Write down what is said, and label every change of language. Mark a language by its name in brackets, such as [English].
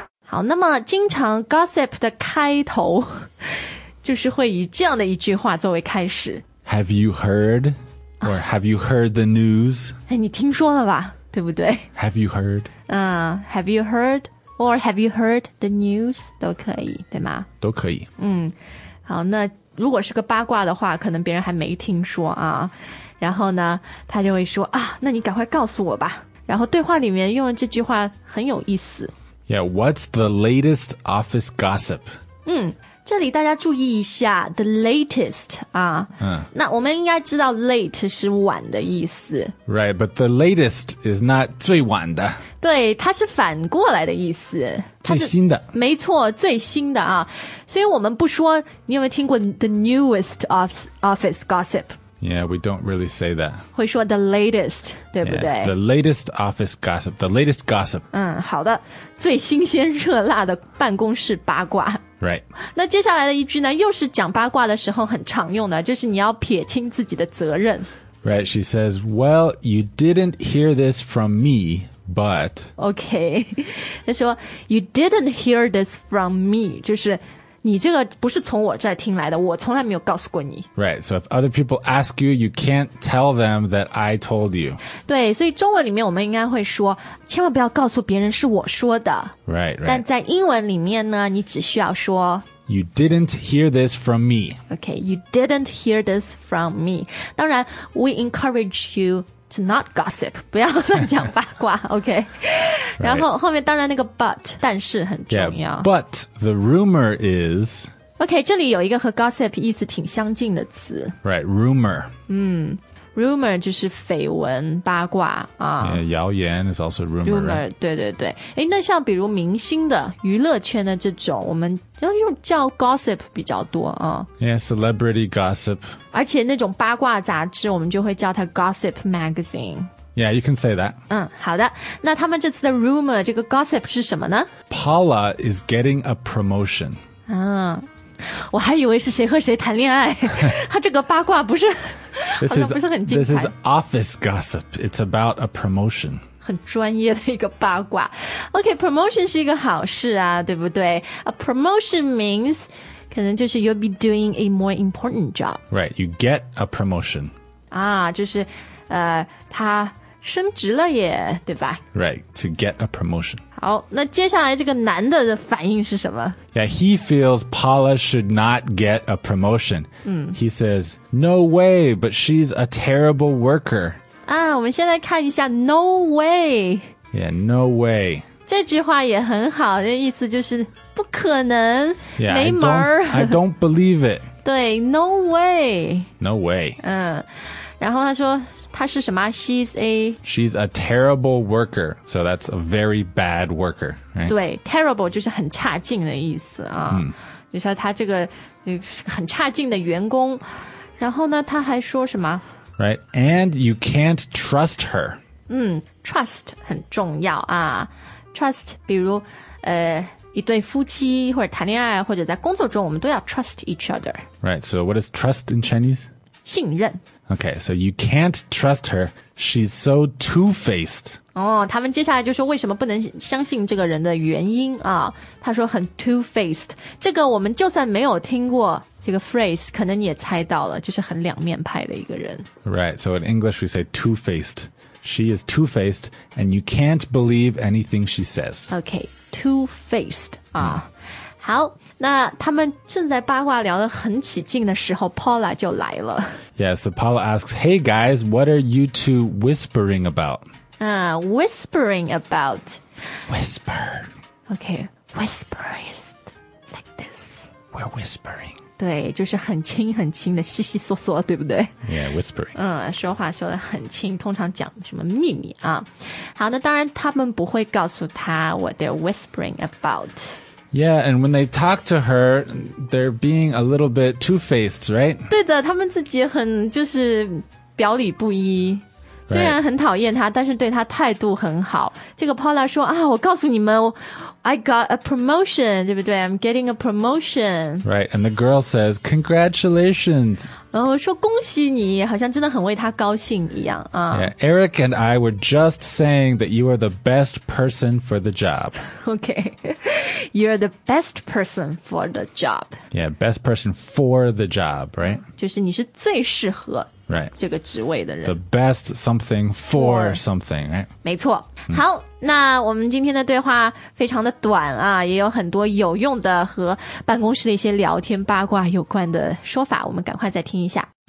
[Chinese] Okay, 那么经常 gossip 的开头就是会以这样的一句话作为开始。 [English] Have you heard? Or have you heard the news? [Chinese] 哎，你听说了吧，对不对？ [English] Have you heard? Have you heard? Or have you heard the news? [Chinese] 都可以，对吗？都可以。好，那如果是个八卦的话，可能别人还没听说啊。然后呢，他就会说啊，那你赶快告诉我吧。然后对话里面用这句话很有意思。 [English] Yeah, what's the latest office gossip? [Chinese] 这里大家注意一下 [English] the latest [Chinese] 啊。那我们应该知道 late 是晚的意思。 [English] Right, but the latest is not [Chinese] 最晚的。对，它是反过来的意思，最新的，没错，最新的啊。所以我们不说，你有没有听过 [English] the newest office gossip? Yeah, we don't really say that. [Chinese] 会说 [English] the latest, [Chinese] 对不对？ [English] Yeah, the latest office gossip, the latest gossip. [Chinese] 好的，最新鲜热辣的办公室八卦。 [English] Right. [Chinese] 那接下来的一句呢，又是讲八卦的时候很常用的，就是你要撇清自己的责任。 [English] Right, she says, well, you didn't hear this from me. But, [Chinese] okay, 他说 [English] you didn't hear this from me, [Chinese] 就是你这个不是从我这儿听来的，我从来没有告诉过你。 [English] Right, so if other people ask you, you can't tell them that I told you. [Chinese] 对，所以中文里面我们应该会说，千万不要告诉别人是我说的。 [English] Right, right. [Chinese] 但在英文里面呢，你只需要说 [English] You didn't hear this from me. Okay, you didn't hear this from me. [Chinese] 当然 [English] we encourage youTo not gossip, [Chinese] 不要乱讲八卦, [English] OK? Right. [Chinese] 然后后面当然那个 but, 但是很重要。 [English] Yeah, but the rumor is... [Chinese] OK, 这里有一个和 gossip 意思挺相近的词。 [English] Right, rumor. [Chinese] Rumor 就是绯闻八卦。 [English] Yeah, [Chinese] 谣言 [English] is also rumor. Rumor, right? [Chinese] 对对对。诶，那像比如明星的娱乐圈的这种我们要用叫 gossip 比较多。 [English] Yeah, celebrity gossip. [Chinese] 而且那种八卦杂志我们就会叫它 [English] gossip magazine. Yeah, you can say that. [Chinese] 好的。那他们这次的 rumor, 这个 gossip 是什么呢？ [English] Paula is getting a promotion. [Chinese] 我还以为是谁和谁谈恋爱。他这个八卦不是 [English] This is, office gossip. It's about a promotion. [Chinese] 很专业的一个八卦。 Okay, promotion 是一个好事啊，对不对？ [English] A promotion means [Chinese] 可能就是 [English] you'll be doing a more important job. Right, you get a promotion. [Chinese] 就是他升职了耶，对吧？ [English] Right, to get a promotion. [Chinese] 好，那接下来这个男的的反应是什么？ [English] Yeah, he feels Paula should not get a promotion. He says, no way, but she's a terrible worker. [Chinese] 我们先来看一下 no way. [English] Yeah, no way. [Chinese] 这句话也很好，这意思就是不可能， [English] yeah, [Chinese] 没门儿。 [English] I don't believe it. 对， no way. No way. [Chinese] 然后他说她是什么? [English] She's a terrible worker. So that's a very bad worker, right? [Chinese] 对, terrible 就是很差劲的意思啊。就是她这个很差劲的员工。然后呢,她还说什么? [English] Right, and you can't trust her. [Chinese] Trust 很重要啊。Trust, 比如一对夫妻或者谈恋爱或者在工作中我们都要 [English] trust each other. Right, so what is trust in Chinese? [Chinese] 信任。 [English] Okay, so you can't trust her. She's so two-faced. [Chinese] 哦，他们接下来就说为什么不能相信这个人的原因啊？他说很 two-faced. 这个我们就算没有听过这个 phrase, 可能你也猜到了，就是很两面派的一个人。 [English] Right, so in English we say two-faced. She is two-faced, and you can't believe anything she says. Okay, two-faced. [Chinese] 啊、好，那他们正在八卦聊得很起劲的时候 Paula 就来了。 [English] Yeah, so Paula asks, Hey guys, what are you two whispering about? Whispering about. Whisper. Okay, whisper is like this. We're whispering. [Chinese] 对，就是很轻很轻的稀稀嗦嗦，对不对？ [English] Yeah, whispering. [Chinese] 说话说得很轻，通常讲什么秘密啊。好，那当然他们不会告诉他 [English] what they're whispering about. Yeah, and when they talk to her, they're being a little bit two-faced, right? [Chinese] 对的，他们自己很就是表里不一。虽然很讨厌他，但是对他态度很好。这个 Paula 说啊，我告诉你们 ， [English] I got a promotion, [Chinese] 对不对 ？ [English] I'm getting a promotion. Right, and the girl says, "Congratulations." [Chinese] 说恭喜你，好像真的很为他高兴一样啊。 [English] Yeah, Eric and I were just saying that you are the best person for the job. Okay, you're the best person for the job. Yeah, best person for the job, right? [Chinese] 就是你是最适合。 [English] Right. [Chinese] 这个职位的人。 [English] The best something for something, right? [Chinese] 没错。好，那我们今天的对话非常的短啊，也有很多有用的和办公室的一些聊天八卦有关的说法，我们赶快再听一下。